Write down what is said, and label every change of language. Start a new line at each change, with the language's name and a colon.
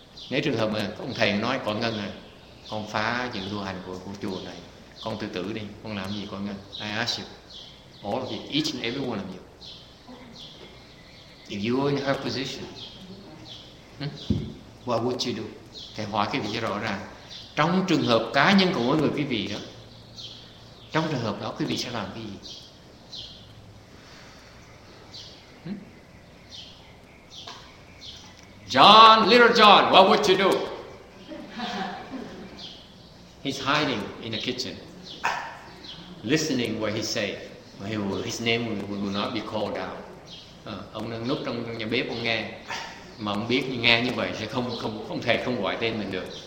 Vietnamese: Nếu trường hợp mà ông thầy nói quả ngân này, con phá những tu hành của chùa này, con tự tử đi, con làm gì quả ngân?
English: I asked you, all of you, each and every one of you. If you were in her position, what would you do?
Vietnamese: Thầy hỏi cái vị rõ ràng. Trong trường hợp cá nhân của mỗi người quý vị đó, trong trường hợp đó, quý vị sẽ làm cái gì?
English: John, little John, what would you do? He's hiding in the kitchen, listening what he say. His name will not be called out.
Vietnamese: Ông đang núp trong nhà bếp, ông nghe. Mà ông biết nghe như vậy sẽ không thể không gọi tên mình được.